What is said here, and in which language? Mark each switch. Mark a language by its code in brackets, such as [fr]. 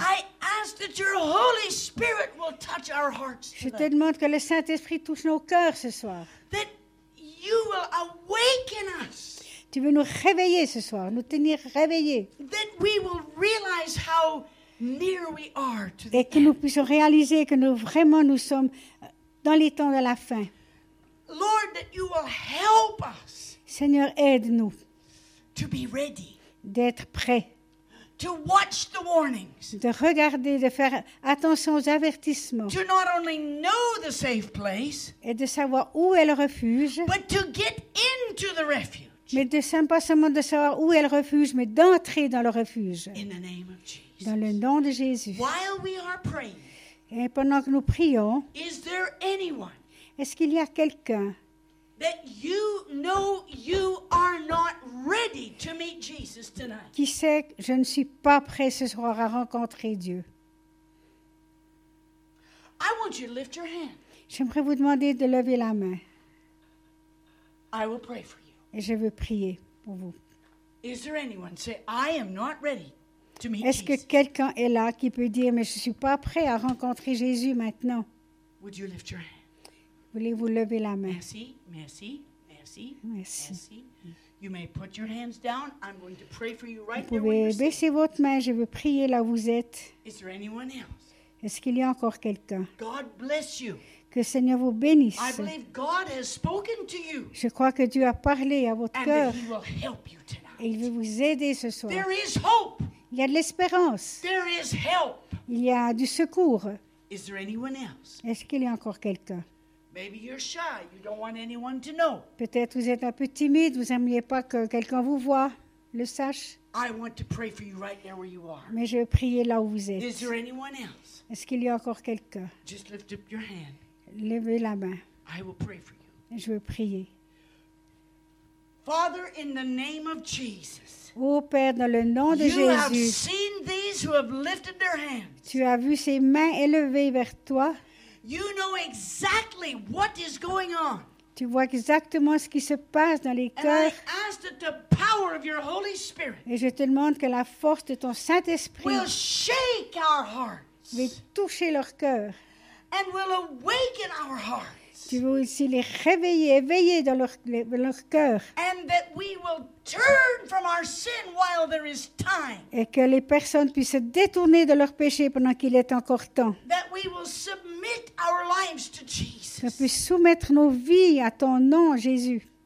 [en] I ask that your Holy Spirit will touch our hearts. [fr] Je te demande que le Saint-Esprit touche nos cœurs ce soir. [en] That you will awaken us. [fr] Tu veux nous réveiller ce soir, nous tenir réveillés. [en] That we will realize how near we are to the end. [fr] Et que nous puissions réaliser que nous vraiment nous sommes dans les temps de la fin. [en] Lord, that you will help us. [fr] Seigneur, aide-nous. [en] To be ready. [fr] D'être prêt. [en] To watch the warnings. [fr] De regarder, de faire attention aux avertissements. [en] To not only know the safe place. [fr] Et de savoir où est le refuge. [en] But to get into the refuge. [fr] Mais de pas seulement de savoir où est le refuge, mais d'entrer dans le refuge. [en] In the name of Jesus. [fr] Dans le nom de Jésus. [en] While we are praying. [fr] Et pendant que nous prions, [en] is there anyone, [fr] est-ce qu'il y a quelqu'un, [en] that you know you are not ready to meet Jesus tonight, [fr] qui sait que je ne suis pas prêt ce soir à rencontrer Dieu? [en] I want you to lift your hand. [fr] J'aimerais vous demander de lever la main. [en] I will pray for you. [fr] Et je veux prier pour vous. [en] Is there anyone, say, I am not ready. [fr] Est-ce que quelqu'un est là qui peut dire, mais je ne suis pas prêt à rencontrer Jésus maintenant? [en] Would you lift your hand? [fr] Voulez-vous lever la main? Merci, merci, merci, merci. [en] You may put your hands down. I'm going to pray for you right [fr] Vous pouvez baisser votre main. Je veux prier là où vous êtes. [en] Is there anyone else? [fr] Est-ce qu'il y a encore quelqu'un? [en] God bless you. [fr] Que le Seigneur vous bénisse. [en] I believe God has spoken to you. [fr] Je crois que Dieu a parlé à votre cœur. [en] And he will help you tonight. [fr] Et il veut vous aider ce soir. [en] There is hope. [fr] Il y a de l'espérance. [en] There is help. [fr] Il y a du secours. [en] Is there anyone else? [fr] Est-ce qu'il y a encore quelqu'un? [en] Maybe you're shy. You don't want anyone to know. [fr] Peut-être vous êtes un peu timide. Vous aimeriez pas que quelqu'un vous voie, le sache. [en] I want to pray for you right there where you are. [fr] Mais je vais prier là où vous êtes. [en] Is there anyone else? [fr] Est-ce qu'il y a encore quelqu'un? [en] Just lift up your hand. [fr] Levez la main. [en] I will pray for you. [fr] Je vais prier. [en] Father, in the name of Jesus. [fr] Ô Père, dans le nom de Jésus. [en] You have seen these who have lifted their hands. [fr] Tu as vu ces mains élevées vers toi. [en] You know exactly what is going on. [fr] Tu vois exactement ce qui se passe dans les cœurs. [en] And I ask that the power of your Holy Spirit. [fr] Et je te demande que la force de ton Saint-Esprit [en] will shake our hearts. [fr] Veuille toucher leurs cœurs. [en] And will awaken our hearts. [fr] Tu veux aussi les réveiller, éveiller dans leur cœur. [en] And that we will turn from our sin while there is time. [fr] Et que les personnes puissent se détourner de leur péché pendant qu'il est encore temps. [en] That we will submit our lives to Jesus. [fr] Que puisse soumettre nos vies à ton nom, Jésus.